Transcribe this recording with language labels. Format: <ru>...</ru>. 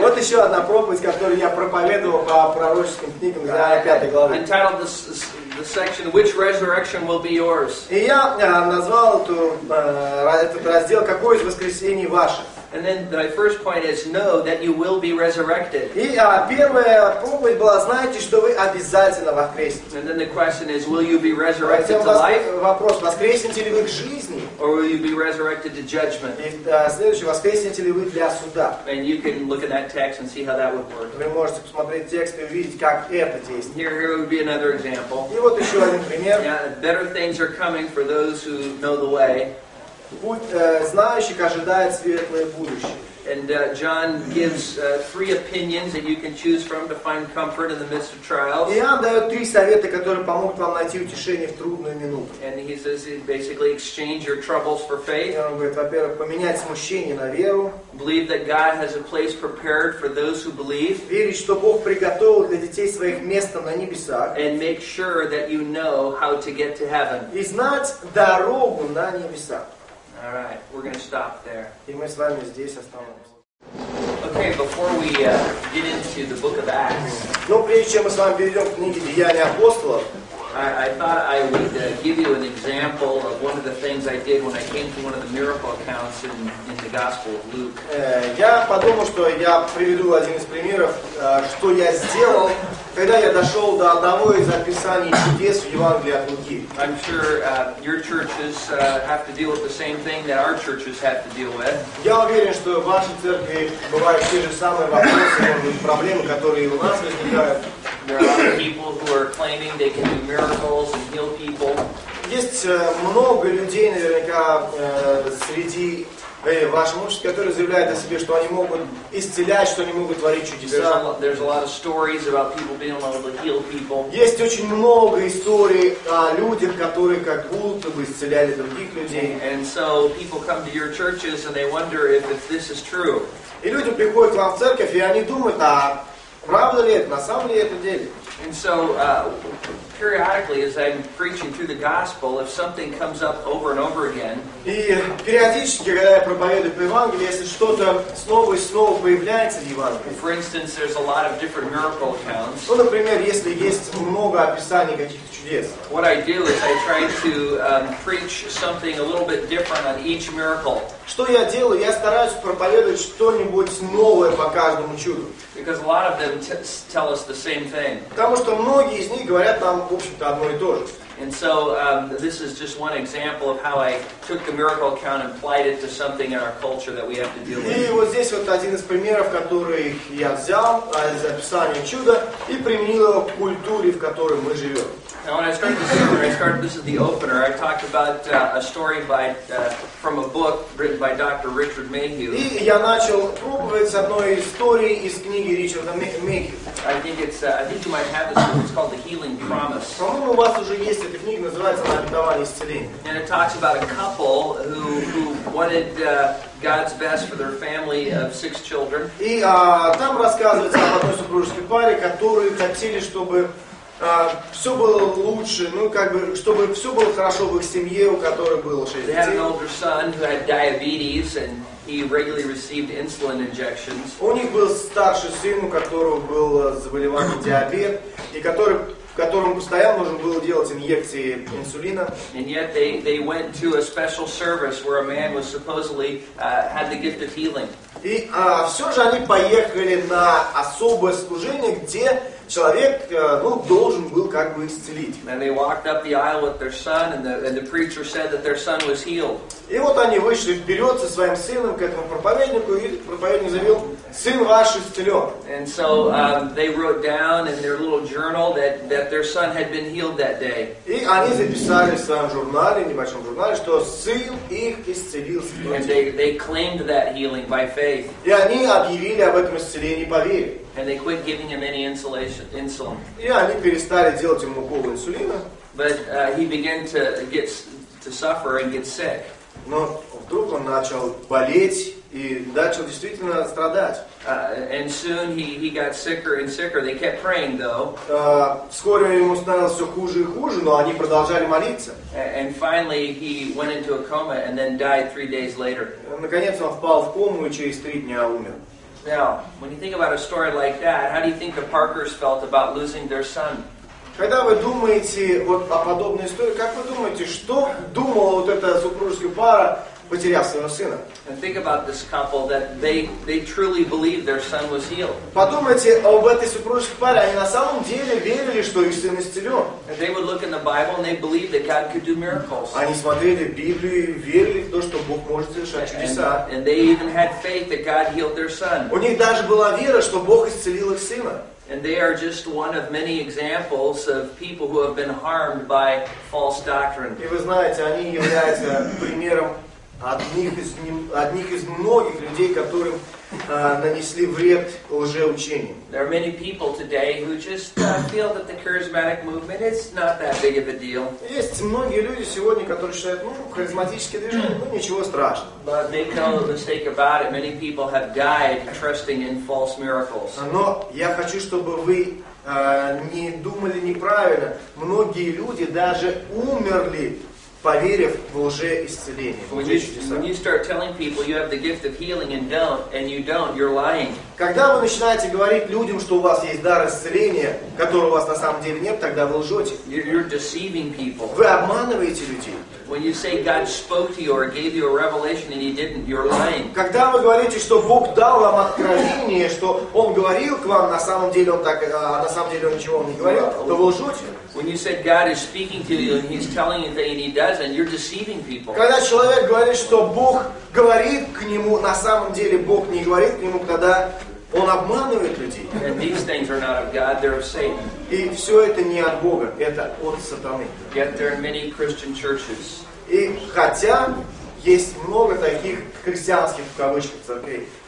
<ru>Вот еще одна проповедь, которую я проповедовал по пророческим книгам, глава 5 главы.</ru> <en>Entitled the section, Which Resurrection Will Be Yours?</en> <ru>И я назвал этот раздел, Какое из воскресений ваше?</ru> <en>And then my first point is, know that you will be resurrected.</en> <ru>И первая проповедь была, знаете, что вы обязательно воскреснете.</ru> <en>And then the question is, will you be resurrected to life?</en> <ru>Вопрос, воскреснете ли вы к жизни?</ru> <en>Or will you be resurrected to judgment?</en> <ru>И следующий, воскреснете ли вы для суда?</ru> <en>And you can look at that text and see how that would work.</en> <ru>Вы можете посмотреть текст и увидеть, как это действует.</ru> <en>Here would be another example.</en> <ru>И вот еще один пример.</ru> <en>Better things are coming for those who know the way.</en> <ru>Знающих ожидает светлое будущее.</ru> <en>And John gives three opinions that you can choose from to find comfort in the midst of trials.</en> <ru>Иоанн дает три совета, которые помогут вам найти утешение в трудную минуту.</ru> <en>And he says, basically, exchange your troubles for faith.</en> <ru>Он говорит, во-первых, поменять смущение на веру.</ru> <en>Believe that God has a place prepared for those who believe.</en> <ru>Верить, что Бог приготовил для детей своих место на небесах.</ru> <en>And make sure that you know how to get to heaven.</en> <ru>И знать дорогу на небеса.</ru> <en>Alright, we're going to stop there.</en> <ru>И мы с вами здесь остановимся.</ru> <en>Okay, before we get into the book of Acts.</en> <ru>Ну, прежде чем мы с вами перейдем к книге Деяния апостолов.</ru> <en>I thought I would give you an example of one of the things I did when I came to one of the miracle accounts in the Gospel of Luke.</en> <ru>Я подумал, что я приведу один из примеров, что я сделал, когда я дошел до одного из описаний чудес в Евангелии от Луки.</ru> <en>I'm sure your churches have to deal with the same thing that our churches have to deal with.</en> <ru>Я уверен, что в вашей церкви бывают те же самые вопросы, проблемы, которые у нас возникают.</ru> <en>There are people who are claiming they can do miracles and heal people.</en> <ru>Есть много людей, наверняка, среди вашего общества, которые заявляют о себе, что они могут исцелять, что они могут творить чудеса.</ru> <en>There's a lot of stories about people being able to heal people.</en> <ru>Есть очень много историй о людях, которые как будто бы исцеляли других людей.</ru> <en>And so people come to your churches and they wonder if this is true.</en> <ru>И люди приходят к вам в церковь, и они думают, а правда ли это? На самом ли это деле?</ru> <en>And so, periodically, as I'm preaching through the gospel, if something comes up over and over again,</en> <ru>и периодически, когда я проповедую по Евангелию, если что-то снова и снова появляется в Евангелии,</ru> <en>for instance, there's a lot of different miracle accounts,</en> <ru>ну, например, если есть много описаний каких-то чудес,</ru> <en>what I do is I try to preach something a little bit different on each miracle.</en> <ru>Что я делаю? Я стараюсь проповедовать что-нибудь новое по каждому чуду.</ru> <en>Because a lot of them tell us the same thing.</en> <ru>Потому что многие из них говорят нам, в общем-то, одно и то же.</ru> <en>And so this is just one example of how I took the miracle account and applied it to something in our culture that we have to deal with.</en> <ru>И вот здесь вот один из примеров, который я взял из описания чуда и применил его к культуре, в которой мы живем.</ru> <en>Now, when I started this sermon, this is the opener. I talked about a story from a book written by Dr. Richard Mayhew.</en> <ru>И я начал пробовать с одной истории из книги Ричарда Мейхью.</ru> <en>I think you might have this book. It's called The Healing Promise.</en> <ru>По-моему, у вас уже есть эта книга, называется «Она обетовала исцеление».</ru> <en>And it talks about a couple who wanted God's best for their family of six children.</en> <ru>И там рассказывается об одной супружеской паре, которые хотели, чтобы все было лучше, чтобы все было хорошо в их семье, у которой было 6 детей.</ru> <en>They had an older son who had diabetes and he regularly received insulin injections.</en> <ru>У них был старший сын, у которого был заболевание диабет, и которому постоянно нужно было делать инъекции инсулина.</ru> <en>And yet they went to a special service where a man was supposedly had the gift of healing.</en> <ru>И все же они поехали на особое служение, где человек должен был как бы исцелить.</ru> <en>And they walked up the aisle with their son, and the preacher said that their son was healed.</en> <ru>И вот они вышли вперед со своим сыном к этому проповеднику, и проповедник заявил: «Сын ваш исцелен».</ru> <en>And so they wrote down in their little journal that their son had been healed that day.</en> <ru>И они записали в своем журнале, небольшом журнале, что сын их исцелился.</ru> <en>And they claimed that healing by faith.</en> <ru>И они объявили об этом исцелении по вере.</ru> <en>And they quit giving him any insulin.</en> <ru>И они перестали делать ему укол инсулина.</ru> <en>But he began to suffer and get sick.</en> <ru>Но вдруг он начал болеть и начал действительно страдать.</ru> <en>And soon he got sicker and sicker. They kept praying though.</en> <ru>Вскоре ему становилось все хуже и хуже, но они продолжали молиться.</ru> <en>And finally he went into a coma and then died 3 days later.</en> <ru>Наконец он впал в кому и через 3 дня умер.</ru> <en>Now, when you think about a story like that, how do you think the Parkers felt about losing their son?</en> <ru>Когда вы думаете вот о подобной истории, как вы думаете, что думала вот эта супружеская пара, потеряв своего сына?</ru> <en>And think about this couple that they truly believed their son was healed.</en> <ru>Подумайте об этой супружеской паре, они на самом деле верили, что их сын исцелен.</ru> <en>And they would look in the Bible and they believed that God could do miracles.</en> <ru>Они смотрели Библию и верили в то, что Бог может совершать чудеса.</ru> <en>And they even had faith that God healed their son.</en> <ru>У них даже была вера, что Бог исцелил их сына.</ru> <en>And they are just one of many examples of people who have been harmed by false doctrine.</en> <ru>И вы знаете, они являются примером одних из многих людей, которым нанесли вред лжеучению.</ru> <en>There are many people today who just feel that the charismatic movement is not that big of a deal.</en> <ru>Есть многие люди сегодня, которые считают, харизматические движения, ничего страшного.</ru> <en>But make no mistake about it, many people have died trusting in false miracles.</en> <ru>Но я хочу, чтобы вы не думали неправильно. Многие люди даже умерли, поверив в лжеисцеление.</ru> <en>When you start telling people you have the gift of healing and you don't, you're lying.</en> <ru>Когда вы начинаете говорить людям, что у вас есть дар исцеления, которого у вас на самом деле нет, тогда вы лжете.</ru> <en>You're deceiving people.</en> <ru>Вы обманываете людей.</ru> <en>When you say God spoke to you or gave you a revelation and he didn't, you're lying.</en> <ru>Когда вы говорите, что Бог дал вам откровение, что он говорил к вам, на самом деле он ничего вам не говорил, то вы лжете.</ru> <en>When you say God is speaking to you and he's telling you that he doesn't, you're deceiving people.</en> <ru>Когда человек говорит, что Бог говорит к нему, на самом деле Бог не говорит к нему, когда он обманывает людей.</ru> <en>And these things are not of God, they're of Satan.</en> <ru>И все это не от Бога, это от сатаны.</ru> <en>Yet there are many Christian churches.</en> <ru>И хотя есть много таких христианских, в кавычках, церквей.</ru>